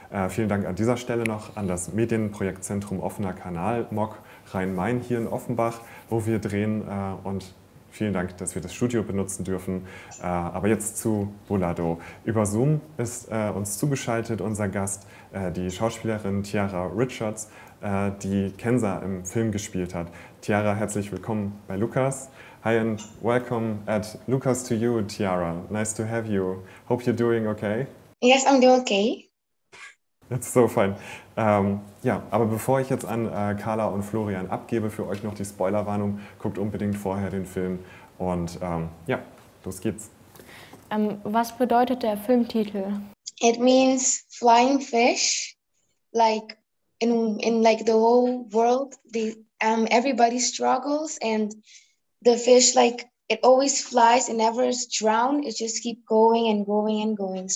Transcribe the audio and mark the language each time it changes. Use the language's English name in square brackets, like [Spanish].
[German] Vielen Dank an dieser Stelle noch an das Medienprojektzentrum Offener Kanal, MOC Rhein-Main hier in Offenbach, wo wir drehen. Und vielen Dank, dass wir das Studio benutzen dürfen. Aber jetzt zu Bulado. Über Zoom ist uns zugeschaltet unser Gast, die Schauspielerin Tiara Richards, die Kenza im Film gespielt hat. Tiara, herzlich willkommen bei Lukas. [English] Hi and welcome at Lukas to you, Tiara. Nice to have you. Hope you're doing okay. Yes, I'm doing okay. That's so fine. [German] Ja, aber bevor ich jetzt an Carla und Florian abgebe, für euch noch die Spoilerwarnung, guckt unbedingt vorher den Film und ja, los geht's. Was bedeutet der Filmtitel? [English] It means flying fish, like in like the whole world, everybody struggles and the fish, like, it always flies and never is drowned. It just keep going and going and going.